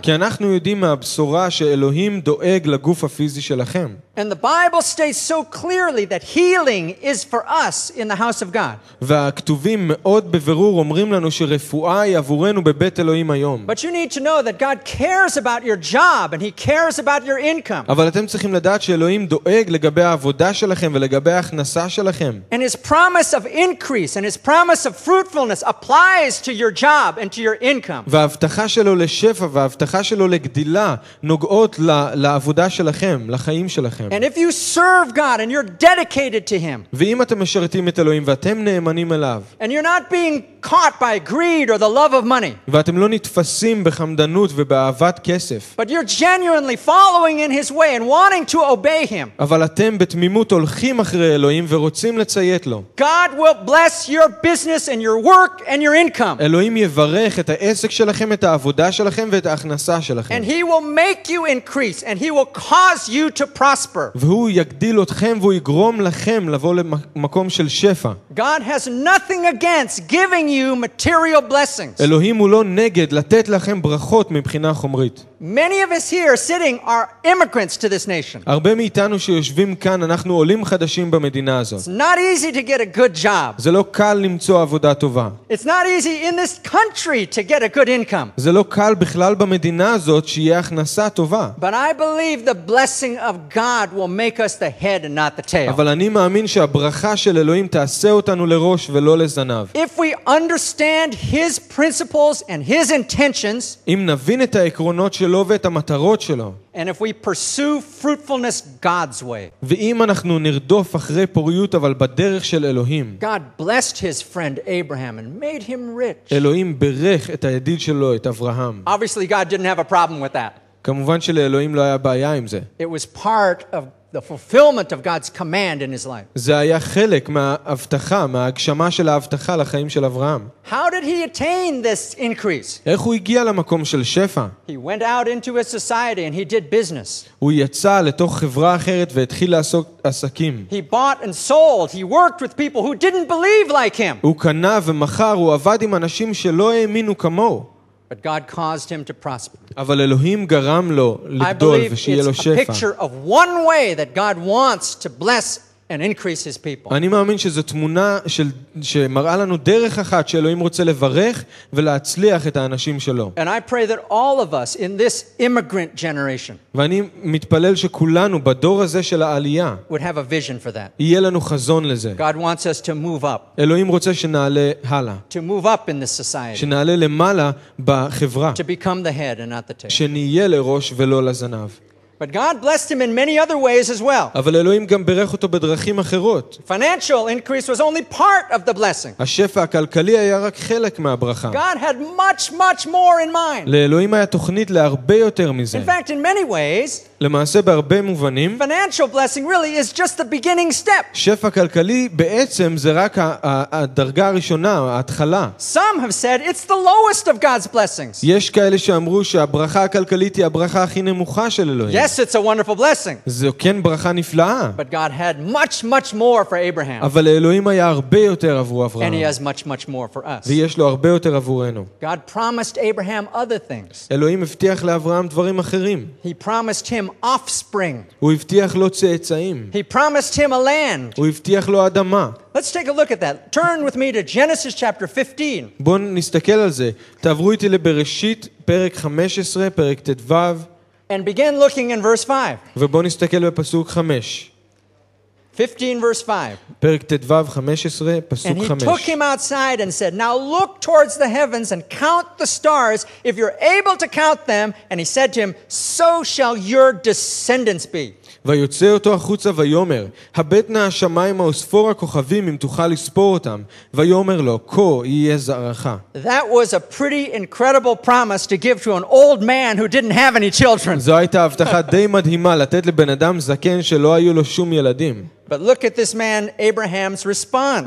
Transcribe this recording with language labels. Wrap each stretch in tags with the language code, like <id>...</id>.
<he>כי אנחנו יודעים מהבשורה שאלוהים דואג לגוף הפיזי שלכם.</he> <en>And the Bible states so clearly that healing is for us in the house of God.</en> <he>והכתובים מאוד בבירור אומרים לנו שרפואה היא עבורנו בבית אלוהים היום.</he> <en>But you need to know that God cares about your job and he cares about your income.</en> <he>אבל אתם צריכים לדעת שאלוהים דואג לגבי העבודה שלכם ולגבי ההכנסה שלכם.</he> <en>And his promise of increase and his promise of fruitfulness applies to your job and to your income.</en> <he>וההבטחה שלו לשפע וההבטחה שלו לגדילה נוגעות לעבודה שלכם, לחיים שלכם.</he> <en>And if you serve God and you're dedicated to him.</en> <he>ואם אתם משרתים את אלוהים ואתם נאמנים אליו.</he> <en>And you're not being caught by greed or the love of money.</en> <he>ואתם לא נתפסים בחמדנות ובאהבת כסף.</he> <en>But you're genuinely following in his way and wanting to obey him.</en> <he>אבל אתם בתמימות הולכים אחרי אלוהים ורוצים לציית לו.</he> <en>God will bless your business and your work and your income.</en> <he>אלוהים יברך את העסק שלכם, את העבודה שלכם ואת ההכנסה שלכם.</he> <en>And he will make you increase and he will cause you to prosper.</en> <he>והוא יגדיל אתכם והוא יגרום לכם לבוא למקום של שפע.</he> <en>God has nothing against giving giving you material blessings.</en> <he>Elohim הוא לא נגד לתת לכם ברכות מבחינה חומרית.</he> <en>Many of us here sitting are immigrants to this nation.</en> <he>הרבה מאיתנו שיושבים כאן אנחנו עולים חדשים במדינה הזאת.</he> <en>It's not easy to get a good job.</en> <he>זה לא קל למצוא עבודה טובה.</he> <en>It's not easy in this country to get a good income.</en> <he>זה לא קל בכלל במדינה הזאת שיהיה הכנסה טובה.</he> <en>But I believe the blessing of God will make us the head and not the tail.</en> <he>אבל אני מאמין שהברכה של אלוהים תעשה אותנו לראש ולא לזנב.</he> <en>If we understand his principles and his intentions,</en> <he>אם נבין את העקרונות שלו ואת המטרות שלו,</he> <en>and if we pursue fruitfulness God's way,</en> <he>ואם אנחנו נרדוף אחרי פוריות אבל בדרך של אלוהים,</he> <en>God blessed his friend Abraham and made him rich.</en> <he>אלוהים ברך את הידיד שלו, את אברהם.</he> <en>Obviously God didn't have a problem with that.</en> <he>כמובן שלאלוהים לא היה בעיה עם זה.</he> <en>It was part of the fulfillment of God's command in his life.</en> <he>זה היה חלק מההבטחה, מההגשמה של ההבטחה לחיים של אברהם.</he> <en>How did he attain this increase?</en> <he>איך הוא הגיע למקום של שפע?</he> <en>He went out into a society and he did business.</en> <he>הוא יצא לתוך חברה אחרת והתחיל לעסוק עסקים.</he> <en>He bought and sold. He worked with people who didn't believe like him.</en> <he>הוא קנה ומכר, הוא עבד עם אנשים שלא האמינו כמוהו.</he> <en>But God caused him to prosper.</en> <he>אבל אלוהים גרם לו לגדול ושיהיה לו שפע.</he> <en>A picture of one way that God wants to bless and increase his people.</en> <he>אני מאמין שזו תמונה של שמראה לנו דרך אחת שאלוהים רוצה לברך ולהצליח את האנשים שלו.</he> <en>And I pray that all of us in this immigrant generation.</en> <he>ואני מתפלל שכולנו בדור הזה של העלייה.</he> <en>Would have a vision for that.</en> <he>יהיה לנו חזון לזה.</he> <en>God wants us to move up.</en> <he>אלוהים רוצה שנעלה הלאה.</he> <en>To move up in this society.</en> <he>שנעלה למעלה בחברה.</he> <en>To become the head and not the tail.</en> <he>שנהיה לראש ולא לזנב.</he> <en>But God blessed him in many other ways as well.</en> <he>אבל אלוהים גם ברך אותו בדרכים אחרות.</he> <en>Financial increase was only part of the blessing.</en> <he>השפע הכלכלי היה רק חלק מהברכה.</he> <en>God had much much more in mind.</en> <he>לאלוהים היה תוכנית להרבה יותר מזה.</he> <en>In fact, in many ways,</en> <he>למעשה בהרבה מובנים,</he> <en>financial blessing really is just the beginning step.</en> <he>שפע כלכלי בעצם זה רק הדרגה הראשונה, ההתחלה.</he> <en>Some have said it's the lowest of God's blessings.</en> <he>יש כאלה שאמרו שהברכה הכלכלית היא הברכה הכי נמוכה של אלוהים.</he> <en>Yes, it's a wonderful blessing.</en> <he>זו כן ברכה נפלאה.</he> <en>But God had much, much more for Abraham.</en> <he>אבל אלוהים היה הרבה יותר עבור אברהם.</he> <en>And he has much, much more for us.</en> <he>ויש לו הרבה יותר עבורנו.</he> <en>God promised Abraham other things.</en> <he>אלוהים הבטיח לאברהם דברים אחרים.</he> <en>He promised him offspring.</en> <he>הוא הבטיח לו צאצאים.</he> <en>He promised him a land.</en> <he>הוא הבטיח לו אדמה.</he> <en>Let's take a look at that. Turn with me to Genesis chapter 15.</en> <he>בואו נסתכל על זה. תעברו איתי לבראשית, פרק 15, פרק תדבב.</he> <en>And begin looking in verse 5.</en> <he>ובוא נסתכל בפסוק 5.</he> <en>15 verse 5.</en> <he>פרק תדבב 15 פסוק 5.</he> <en>And he took him outside and said, "Now look towards the heavens and count the stars if you're able to count them." And he said to him, "So shall your descendants be."</en> <he>ויוצא אותו החוצה ויאמר, "הבט נא השמיים האוספור הכוכבים אם תוכל לספור אותם." ויאמר לו, "כה יהיה זרעך."</he> <en>That was a pretty incredible promise to give to an old man who didn't have any children.</en> <he>זו הייתה הבטחה די מדהימה לתת לבן אדם זקן שלא היו לו שום ילדים.</he> <en>But look at this man Abraham's response.</en>